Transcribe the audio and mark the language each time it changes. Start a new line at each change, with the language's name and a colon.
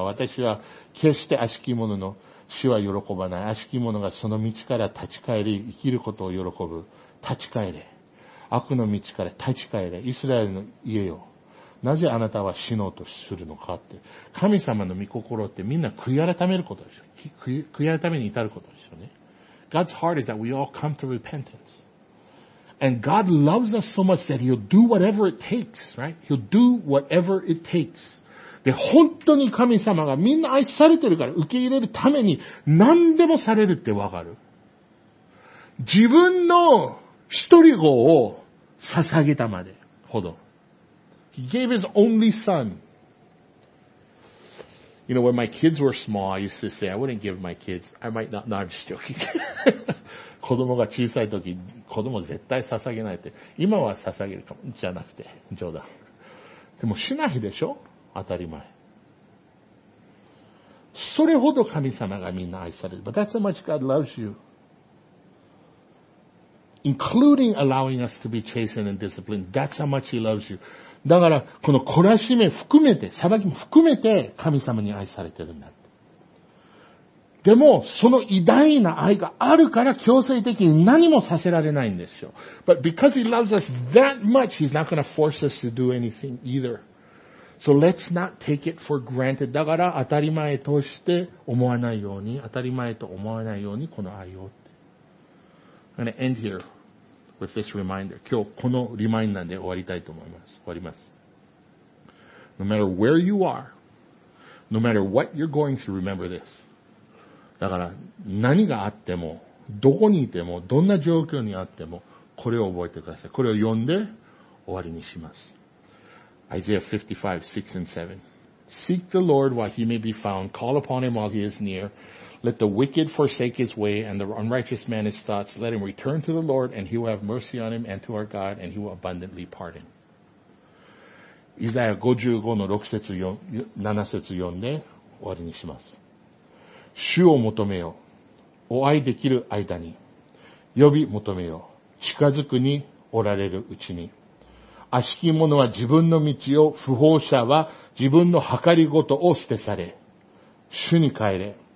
Japanese: 私は決して悪しき者の死は喜ばない。悪しき者がその道から立ち返り、生きることを喜ぶ。立ち返れ。悪の道から立ち返れ。イスラエルの家よ。なぜあなたは死のうとするのかって。神様の御心ってみんな悔い改めることでしょ。悔い改めに至ることでしょね。
English: God's heart is that we all come to repentance. And God loves us so much that He'll do whatever it takes, right? He'll do whatever it takes.
Japanese: で、本当に神様がみんな愛されてるから受け入れるために何でもされるってわかる。自分の一人子を捧げたまでほど。
English: He gave his only son. You know, when my kids were small, I used to say, I wouldn't give my kids, I might not, no, I'm just joking.
Japanese: 子供が小さい時、子供絶対捧げないって。今は捧げるかも、じゃなくて、冗談。でもしないでしょ？当たり前。それほど神様がみんな愛される。
English: But that's how much God loves you. Including allowing us to be chastened and disciplined. That's how much he loves you.
Japanese: だから、この懲らしめ含めて、裁きも含めて、神様に愛されてるんだ。でも、その偉大な愛があるから、強制的に何もさせられないんですよ。
English: But because he loves us that much, he's not going to force us to do anything either. So let's not take it for granted.
Japanese: だから、当たり前として思わないように、当たり前と思わないように、この愛を。
English: I'm going to end here with this reminder.
Japanese: 今日このリマインダーで終わりたいと思います。終わります。
English: No matter where you are, no matter what you're going through, remember this.
Japanese: だから何があっても、どこにいても、どんな状況にあっても、これを覚えてください。これを読んで終わりにします。
English: Isaiah 55:6-7. Seek the Lord while he may be found. Call upon him while he is near. Let the wicked forsake his way and the unrighteous man his thoughts. Let him return to the Lord and he will have mercy on him and to our God and he will abundantly pardon.
Japanese: イザヤ55:6-7読んで終わりにします。主を求めよ。お会いできる間に。呼び求めよ。近づくにおられるうちに。悪しき者は自分の道を、不法者は自分の計りごとを捨てされ。主に帰れ。